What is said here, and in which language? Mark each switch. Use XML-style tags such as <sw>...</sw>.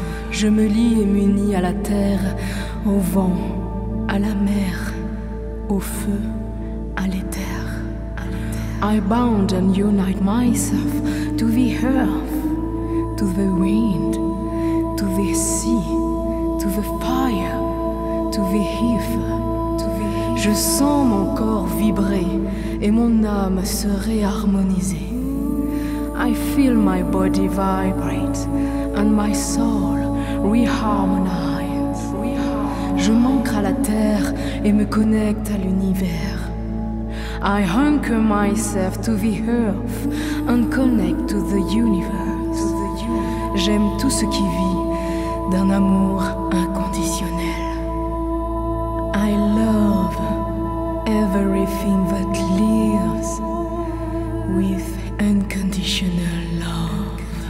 <fr>Je me lie et m'unis à la terre, au vent, à la mer, au feu, à l'éther.</fr> <en>I bound and unite myself to the earth, to the wind, to the sea, to the fire, to the ether, to the ether.</en> <fr>Je sens mon corps vibrer et mon âme se réharmoniser.</fr> <en>I feel my body vibrate and my soul reharmonize.</en> <fr>Je m'ancre à la terre et me connecte à l'univers.</fr> <en>I anchor myself to the earth and connect to the universe.</en> <fr>J'aime tout ce qui vit d'un amour inconditionnel.</fr> <en>I love everything that lives with unconditional love.</en>